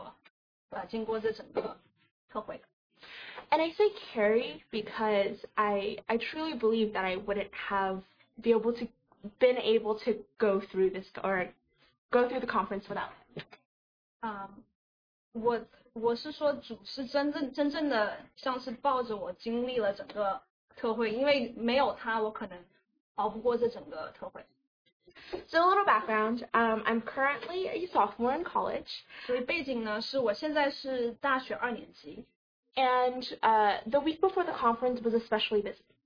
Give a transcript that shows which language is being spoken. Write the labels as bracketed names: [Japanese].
[Chinese] 我就想分享一下，主是怎样带领我经过这整个特会。 [English] And I say carry because I truly believe that I wouldn't have been able to go through this or go through the conference without. [Chinese] 我是说主是真正的像是抱着我经历了整个特会，因为没有他，我可能熬不过这整个特会。 [English] So a little background. I'm currently a sophomore in college. [Chinese] 所以背景呢是我现在是大学二年级。 [English] And the week before the conference was especially busy.